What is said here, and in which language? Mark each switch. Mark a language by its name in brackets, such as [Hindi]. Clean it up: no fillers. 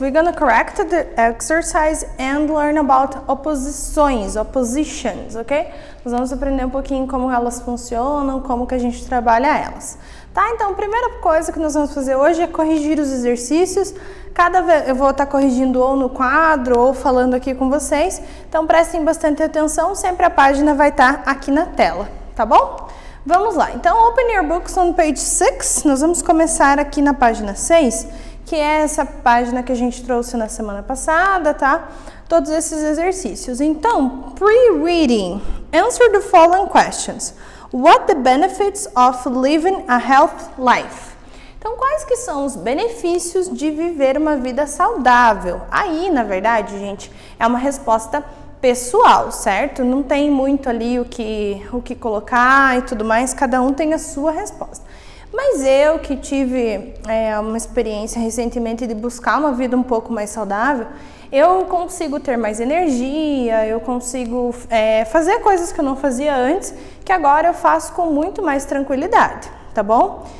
[English] We're gonna correct the exercise and learn about opositions, ok? [Portuguese] Nós vamos aprender um pouquinho como elas funcionam, como que a gente trabalha elas. Tá, então a primeira coisa que nós vamos fazer hoje é corrigir os exercícios. Cada vez eu vou estar corrigindo ou no quadro ou falando aqui com vocês. Então prestem bastante atenção, sempre a página vai estar aqui na tela, tá bom? Vamos lá, então [English] open your books on page 6, [Portuguese] nós vamos começar aqui na página 6, que é essa página que a gente trouxe na semana passada, tá? Todos esses exercícios. Então, [English] pre-reading, answer the following questions. What the benefits of living a healthy life? [Portuguese] Então, quais que são os benefícios de viver uma vida saudável? Aí, na verdade, gente, é uma resposta pessoal, certo? Não tem muito ali o que colocar e tudo mais, cada um tem a sua resposta. Mas eu que tive uma experiência recentemente de buscar uma vida um pouco mais saudável, eu consigo ter mais energia, eu consigo fazer coisas que eu não fazia antes, que agora eu faço com muito mais tranquilidade, tá bom?